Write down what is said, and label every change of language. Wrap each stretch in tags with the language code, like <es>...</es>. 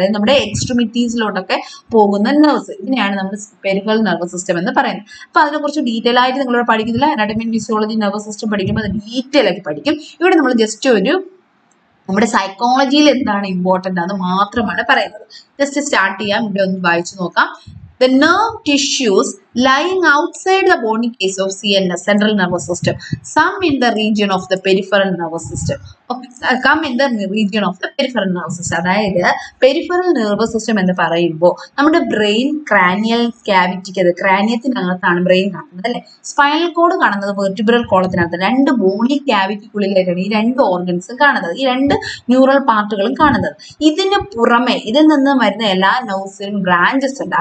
<ml>അതായത് നമ്മുടെ എക്സ്ട്രിമിറ്റീസിലോട്ടൊക്കെ പോകുന്ന നെർവ്സ് ഇതിനെയാണ് നമ്മൾ പെരിഫറൽ നെർവസ് സിസ്റ്റം എന്ന് പറയുന്നത്. അപ്പൊ അതിനെ കുറിച്ച് ഡീറ്റെയിൽ ആയിട്ട് നിങ്ങളോട് പഠിക്കുന്നില്ല. Anatomy and physiology nervous system പഠിക്കുമ്പോൾ അത് ഡീറ്റെയിൽ ആയി പഠിക്കും. ഇവിടെ നമ്മൾ ജസ്റ്റ് ഒരു നമ്മുടെ സൈക്കോളജിയിൽ എന്താണ് ഇമ്പോർട്ടൻ്റ് അത് മാത്രമാണ് പറയുന്നത്. ജസ്റ്റ് സ്റ്റാർട്ട് ചെയ്യാം, ഇവിടെ ഒന്ന് വായിച്ചു നോക്കാം.</ml> <en>The nerve tissues lying outside the bony case of CNS, central nervous system, some in the region of the peripheral nervous system. Okay, come in the region of the peripheral nervous system.</en> <ml>അതായത് peripheral nervous system എന്ന് പറയുമ്പോൾ നമ്മുടെ brain cranial ക്യാവിറ്റിക്ക് അത് ക്രാനിയത്തിനകത്താണ് brain കാണുന്നത് അല്ലേ. Spinal cord കാണുന്നത് vertebral കോളത്തിനകത്ത് രണ്ട് ബോണി ക്യാവിറ്റിക്കുള്ളിലേക്കാണ് ഈ രണ്ട് ഓർഗൻസും കാണുന്നത്, ഈ രണ്ട് ന്യൂറൽ പാർട്ടുകളും കാണുന്നത്. ഇതിന് പുറമെ ഇതിൽ നിന്ന് വരുന്ന എല്ലാ നെർവ്സിനും ബ്രാഞ്ചസ് ഉണ്ട്.</ml>